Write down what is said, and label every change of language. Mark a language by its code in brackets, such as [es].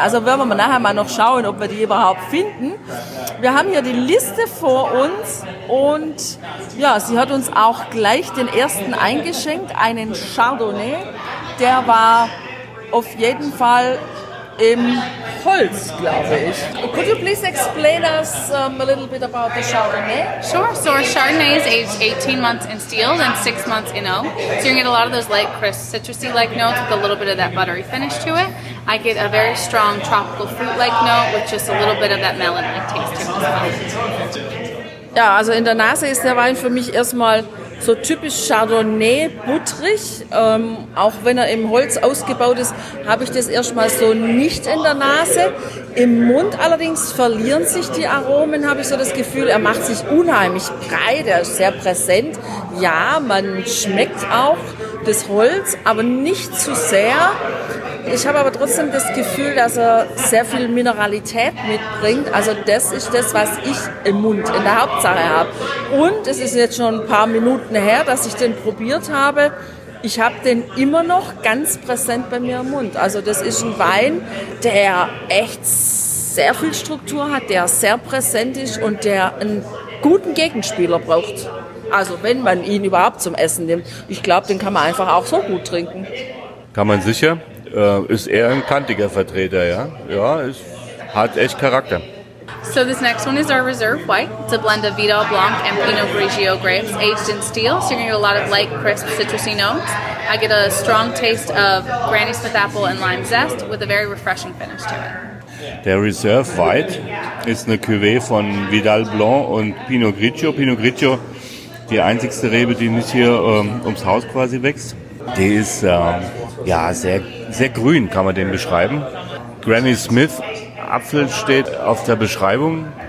[de] Also werden wir mal nachher mal noch schauen, ob wir die überhaupt finden. Wir haben hier die Liste vor uns und ja, sie hat uns auch gleich den ersten eingeschenkt, einen Chardonnay. Der war auf jeden Fall im Holz, glaube ich. [en] Could you please explain us a little bit about the Chardonnay? Sure. So our Chardonnay is aged 18 months in steel and 6 months in oak. So you get a lot of those light, crisp, citrusy-like notes with a little bit of that buttery finish to it. I get a very strong tropical fruit-like note with just a little bit of that melon-like taste to it as well. [de] Ja, also in der Nase ist der Wein für mich erstmal so typisch Chardonnay, buttrig, auch wenn er im Holz ausgebaut ist, habe ich das erstmal so nicht in der Nase. Im Mund allerdings verlieren sich die Aromen, habe ich so das Gefühl. Er macht sich unheimlich breit, er ist sehr präsent. Ja, man schmeckt auch das Holz, aber nicht zu sehr. Ich habe aber trotzdem das Gefühl, dass er sehr viel Mineralität mitbringt. Also das ist das, was ich im Mund in der Hauptsache habe. Und es ist jetzt schon ein paar Minuten her, dass ich den probiert habe. Ich habe den immer noch ganz präsent bei mir im Mund. Also das ist ein Wein, der echt sehr viel Struktur hat, der sehr präsent ist und der ein guten Gegenspieler braucht. Also wenn man ihn überhaupt zum Essen nimmt. Ich glaube, den kann man einfach auch so gut trinken. Kann man sicher. Ist eher ein kantiger Vertreter, ja. Ja, ist, hat echt Charakter. [en] So this next one is our Reserve White. It's a blend of Vidal Blanc and Pinot Grigio grapes aged in steel. So you're going to get a lot of light, crisp, citrusy notes. I get a strong taste of Granny Smith apple and lime zest with a very refreshing finish to it. [de] Der Reserve White ist eine Cuvée von Vidal Blanc und Pinot Grigio. Pinot Grigio, die einzigste Rebe, die nicht hier ums Haus quasi wächst. Die ist ja sehr, sehr grün, kann man den beschreiben. Granny Smith Apfel steht auf der Beschreibung.